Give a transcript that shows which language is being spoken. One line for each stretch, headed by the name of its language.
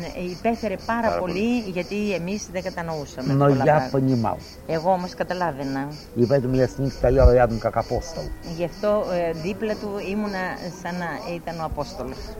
Greek: Υπέφερε πάρα πολύ γιατί εμείς δεν κατανοούσαμε.
Russian: Но я понимал.
Greek: Εγώ όμως καταλάβαινα.
Russian: И поэтому я с ним стоял рядом как апостол.
Greek: Γι' αυτό δίπλα του ήμουνα σαν να ήταν ο Απόστολος.